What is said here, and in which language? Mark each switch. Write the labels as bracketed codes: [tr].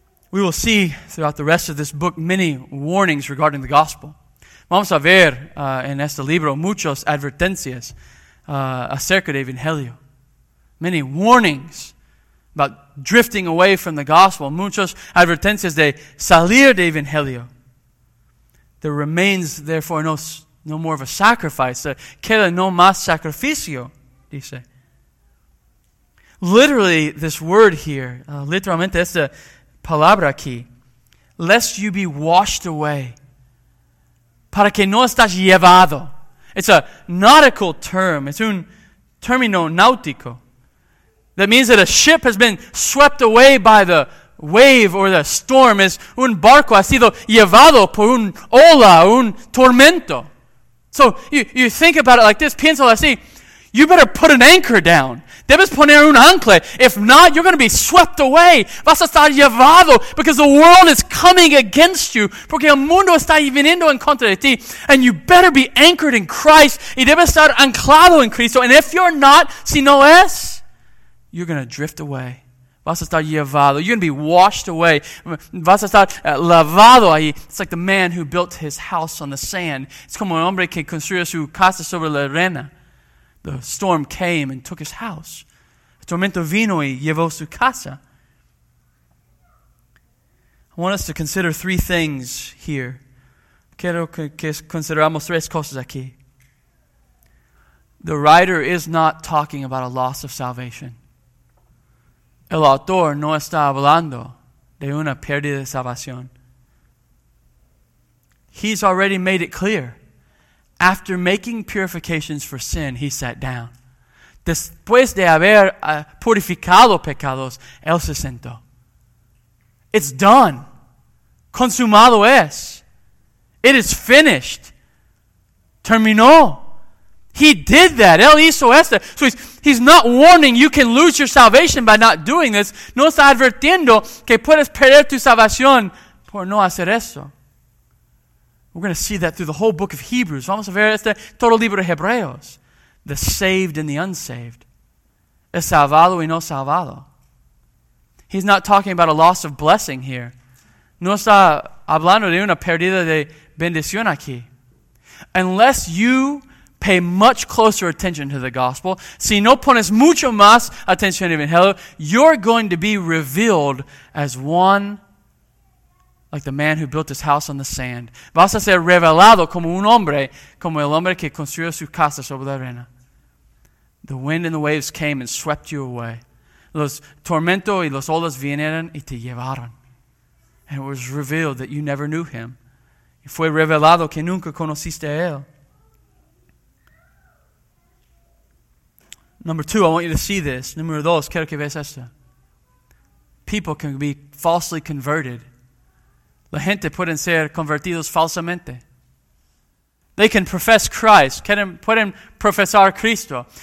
[en] We will see throughout the rest of this book many warnings regarding the gospel. [es] Vamos a ver en este libro muchas advertencias acerca de Evangelio. [en] Many warnings about drifting away from the gospel. Muchas advertencias de salir de Evangelio. There remains, therefore, no more of a sacrifice. [es] Queda no más sacrificio, dice. [en] Literally, this word here, [es] literalmente esta palabra aquí, [en] lest you be washed away, [es] para que no estás llevado. [en] It's a nautical term. It's [es] un término náutico. [en] That means that a ship has been swept away by the wave or the storm. [es] Es un barco ha sido llevado por un ola, un tormento. [en] So you think about it like this. [es] Piénsalo así. [en] You better put an anchor down. [es] Debes poner un ancla. [en] If not, you're going to be swept away. [es] Vas a estar llevado [en] because the world is coming against you. [es] Porque el mundo está viniendo en contra de ti. [en] And you better be anchored in Christ. [es] Y debes estar anclado en Cristo. [en] And if you're not, [es] si no es, [en] you're going to drift away. [es] Vas a estar llevado. [en] You're going to be washed away. [es] Vas a estar lavado ahí. [en] It's like the man who built his house on the sand. [es] It's como el hombre que construyó su casa sobre la arena. [en] The storm came and took his house. [es] El tormento vino y llevó su casa. [en] I want us to consider three things here. [es] Quiero que consideramos tres cosas aquí. [en] The writer is not talking about a loss of salvation. [es] El autor no está hablando de una pérdida de salvación. [en] He's already made it clear. After making purifications for sin, he sat down. [es] Después de haber purificado pecados, él se sentó. [en] It's done. [es] Consumado es. [en] It is finished. [es] Terminó. [en] He did that. [es] Él hizo esto. [en] So he's not warning you can lose your salvation by not doing this. [es] No está advirtiendo que puedes perder tu salvación por no hacer esto. [en] We're going to see that through the whole book of Hebrews. [es] Vamos a ver este todo el libro de Hebreos. [en] The saved and the unsaved. [es] El salvado y no salvado. [en] He's not talking about a loss of blessing here. [es] No está hablando de una pérdida de bendición aquí. [en] Unless you pay much closer attention to the gospel, [es] si no pones mucho más atención al evangelio, [en] you're going to be revealed as one like the man who built his house on the sand. [es] Vas a ser revelado como un hombre, como el hombre que construyó su casa sobre la arena. [en] The wind and the waves came and swept you away. [es] Los tormentos y los olas vinieron y te llevaron. [en] And it was revealed that you never knew him. [es] Y fue revelado que nunca conociste a él. [en] Number two, I want you to see this. [es] Número dos, quiero que veas esto. [en] People can be falsely converted. [es] La gente pueden ser convertidos falsamente. [en] They can profess Christ. [es] Pueden profesar Cristo.